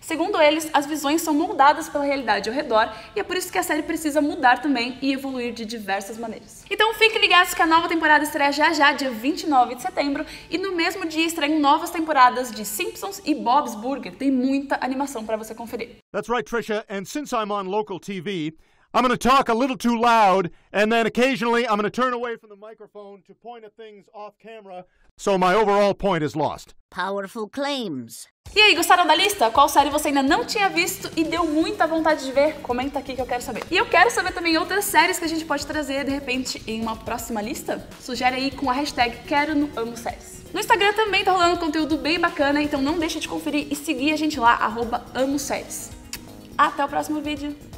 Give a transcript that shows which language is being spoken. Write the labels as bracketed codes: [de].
[pt] Segundo eles, as visões são moldadas pela realidade ao redor e é por isso que a série precisa mudar também e evoluir de diversas maneiras. Então fiquem ligados que a nova temporada estreia já, dia 29 de setembro, e no mesmo dia estreiam novas temporadas de Simpsons e Bob's Burger. Tem muita animação para você conferir. [en] That's right, Trisha, and since I'm on local TV, I'm gonna talk a little too loud, and then occasionally I'm gonna turn away from the microphone to point at things off camera, so my overall point is lost. Powerful claims. [pt] E aí, gostaram da lista? Qual série você ainda não tinha visto e deu muita vontade de ver? Comenta aqui que eu quero saber. E eu quero saber também outras séries que a gente pode trazer, de repente, em uma próxima lista? Sugere aí com a hashtag #QueroNoAmoSéries. No Instagram também tá rolando conteúdo bem bacana, então não deixa de conferir e seguir a gente lá, @AmoSéries. Até o próximo vídeo!